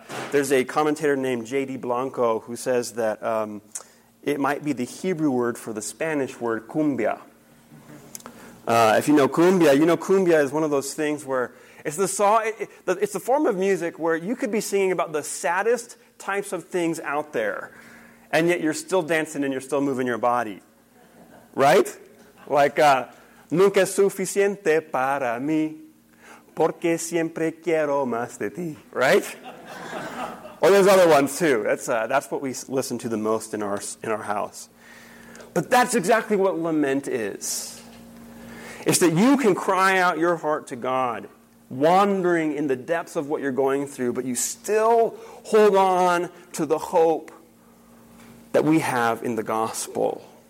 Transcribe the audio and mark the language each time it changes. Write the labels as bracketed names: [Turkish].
[English] There's a commentator named J.D. Blanco who says that it might be the Hebrew word for the Spanish word cumbia. If you know cumbia, you know cumbia is one of those things where it's the form of music where you could be singing about the saddest types of things out there, and yet you're still dancing and you're still moving your body, right? Like, [Spanish] nunca es suficiente para mí, porque siempre quiero más de ti, [English] right? Or there's other ones too. That's what we listen to the most in our house. But that's exactly what lament is. It's that you can cry out your heart to God, wandering in the depths of what you're going through, but you still hold on to the hope that we have in the gospel.